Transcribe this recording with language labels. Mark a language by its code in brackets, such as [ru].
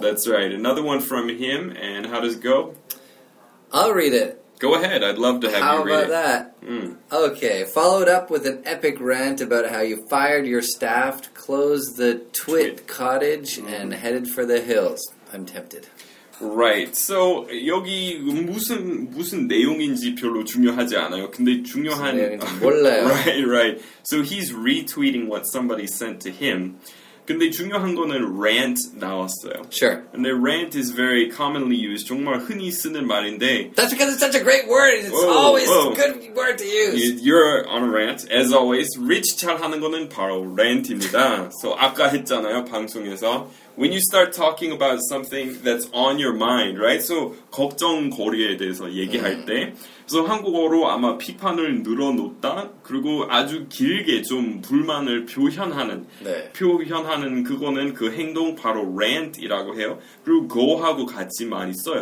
[en] That's right. Another one from him. And how does it go? I'll read it. Go ahead. I'd love to have how you read it. How about that? Mm. Okay. Followed up with an epic rant about how you fired your staff, closed the twit cottage, and headed for the hills. I'm tempted. Right. [ko] So, 여기 무슨 내용인지 별로 중요하지 않아요. 근데 중요한 몰라요. [en] Right, right. So, he's retweeting what somebody sent to him. [ko] 근데 중요한 거는 rant 나왔어요. [en] Sure. And the rant is very commonly used. [ko] 정말 흔히 쓰는 말인데. [en] That's because it's such a great word. It's always a good word to use. You're on a rant. As always, Rich [ko] 잘하는 거는 바로 rant입니다. So, 아까 했잖아요, 방송에서. [en] When you start talking about something that's on your mind, right? [ko] So, 걱정거리에 대해서 얘기할 때. So, 한국어로 아마 비판을 늘어놓다, 그리고 아주 길게 좀 불만을 표현하는. 네. 표현하는 그거는 그 행동 바로 rant이라고 해요. 그리고 go하고 같이 많이 써요.